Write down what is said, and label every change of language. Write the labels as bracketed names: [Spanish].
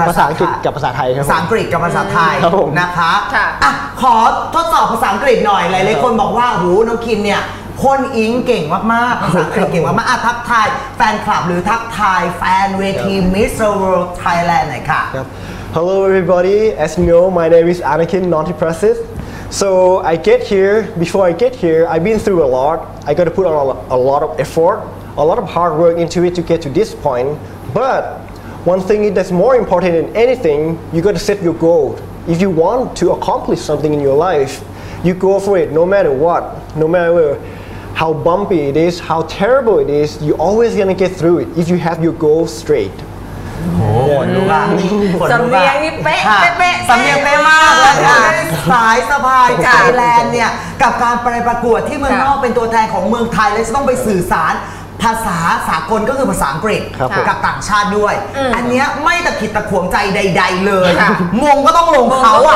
[Thai] ภาษาอังกฤษกับภาษาไทยครับ ภาษาอังกฤษกับภาษาไทยนะคะ ค่ะ อ่ะขอทดสอบภาษาอังกฤษหน่อยหลายๆคนบอกว่าหูน้องคิมเนี่ยคนอิงเก่งมากๆภาษาอังกฤษเก่งมากๆอ่ะทักทายแฟนคลับหรือทักทายแฟนเวที Miss World Thailand หน่อยค่ะ [English] ครับ Hello everybody as you know my name is Anakin Nontipressis so I get here before I get here I've been through a lot I got to put a lot of effortA lot of hard work into it to get to this point, but one thing that's more important than anything, you got to set your goal. If you want to accomplish something in your life, you go for it no matter what, no matter how bumpy it is, how terrible it is, you're always gonna get through it if you have your goal straight. [Thai] โอ้ยลูกอ่ะ สำเนียงนี่เป๊ะเป๊ะเป๊ะ สำเนียงเป๊ะมากเลยค่ะสายสะพายไทยแลนด์เนี่ยกับการไปประกวดที่เมืองนอกเป็นตัวแทนของเมืองไทยแล้วจะต้องไปสื่อสารภาษาสากลก็คือภาษาอังกฤษกับต่างชาติด้วย อันนี้ไม่ตะขิดตะขวงใจใดๆเลยมงก็ต้องลงเขาอ่ะ